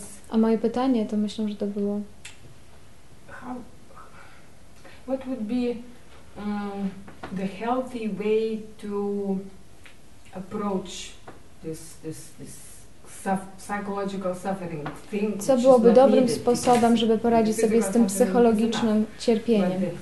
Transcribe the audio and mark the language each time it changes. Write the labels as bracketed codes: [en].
[pl] A moje pytanie, to myślę, że to było... [en] What would be the healthy way to approach this psychological suffering thing? [pl] Co byłoby dobrym sposobem, żeby poradzić sobie z tym psychologicznym cierpieniem?